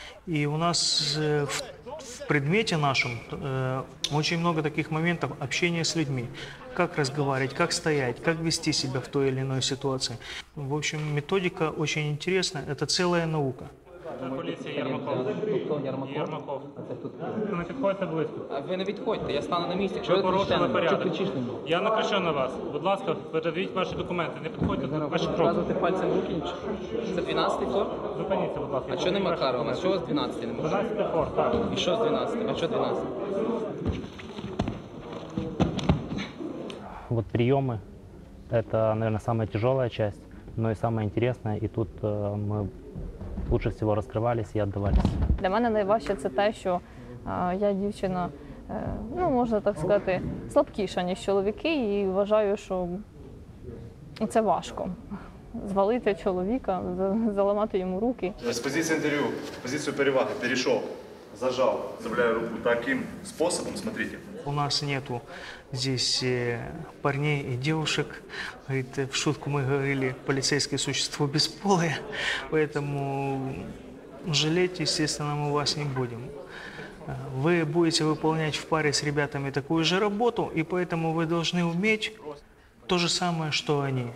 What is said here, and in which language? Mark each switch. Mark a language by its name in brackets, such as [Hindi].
[Russian] И у нас в предмете нашем очень много таких моментов – общение с людьми. Как разговаривать, как стоять, как вести себя в той или иной ситуации. В общем, методика очень интересная, это целая наука. [Ukrainian] Полиция Ермаков. Не підходьте близько. А ви не відходьте, я стану на місці. Ви порушили порядок. Я накричу на вас. Будь ласка, передавіть ваші документи. Не підходьте до ваші кроки. Вказувати пальцем руки. Це 12-й форт? Зупиніться, будь ласка. А що не Макарова? А що з 12-й? 12-й форт, так. І що з 12-й? А що 12-й? [Russian] Вот приемы – это, наверное, самая тяжелая часть, но и самая интересная. И тут мы лучше всего раскрывались и отдавались. Для меня найважче – это то, что я девчина, ну, можно так сказать, [Ukrainian] слабкіша, ніж чоловіки. И вважаю, [Russian] что это [Ukrainian] важко – звалити чоловіка, заламати йому руки. З позиції інтерв'ю, позицію переваги, перейшов, зажав, заставляю руку [Russian] таким способом, смотрите. У нас нету здесь парней и девушек. Говорит, в шутку мы говорили, полицейские существа бесполые, поэтому жалеть, естественно, мы вас не будем. Вы будете выполнять в паре с ребятами такую же работу, и поэтому вы должны уметь то же самое, что они.